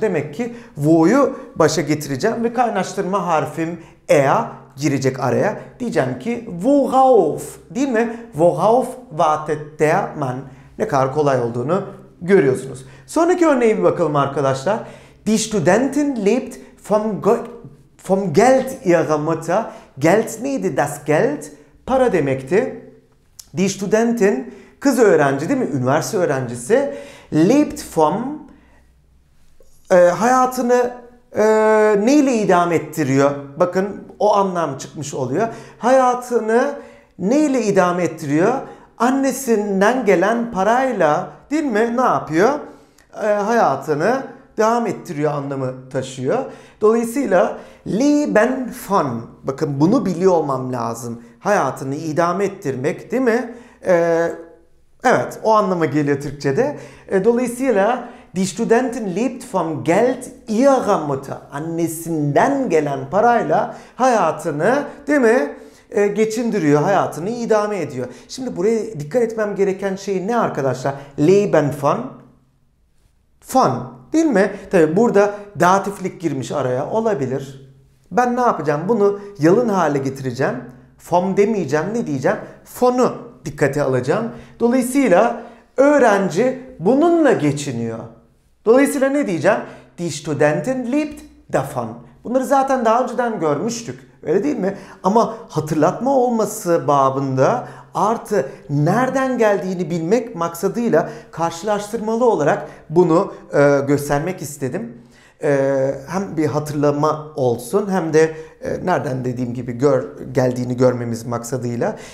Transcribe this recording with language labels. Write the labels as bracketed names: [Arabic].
[Turkish] Demek ki wo'yu başa getireceğim ve kaynaştırma harfim er girecek araya. Diyeceğim ki worauf, değil mi? [German] Worauf wartet der Mann? [Turkish] Ne kadar kolay olduğunu görüyorsunuz. Sonraki örneğe bir bakalım arkadaşlar. [German] Die Studentin lebt vom Geld ihrer Mutter. [Turkish] Geld neydi? Das Geld? Para demekti. Die Studentin, kız öğrenci değil mi? Üniversite öğrencisi. Lebt vom, hayatını neyle idame ettiriyor? Bakın o anlam çıkmış oluyor. Hayatını neyle idame ettiriyor? Annesinden gelen parayla, değil mi? Ne yapıyor? Hayatını devam ettiriyor anlamı taşıyor. Dolayısıyla leben von, bakın bunu biliyor olmam lazım. Hayatını idame ettirmek, değil mi? Evet, o anlama geliyor Türkçe'de. Dolayısıyla [German] die Studentin lebt vom Geld ihrer Mutter. [Turkish] Annesinden gelen parayla hayatını, değil mi? Geçindiriyor, hayatını idame ediyor. Şimdi buraya dikkat etmem gereken şey ne arkadaşlar? Leben von. Von, değil mi? Tabi burada datiflik girmiş araya, olabilir. Ben ne yapacağım? Bunu yalın hale getireceğim. Vom demeyeceğim, ne diyeceğim? Von'u dikkate alacağım. Dolayısıyla öğrenci bununla geçiniyor. Dolayısıyla ne diyeceğim? [German] Die Studentin lebt davon. [Turkish] Bunları zaten daha önceden görmüştük. Öyle değil mi? Ama hatırlatma olması babında artı nereden geldiğini bilmek maksadıyla karşılaştırmalı olarak bunu göstermek istedim. Hem bir hatırlama olsun hem de nereden dediğim gibi geldiğini görmemiz maksadıyla.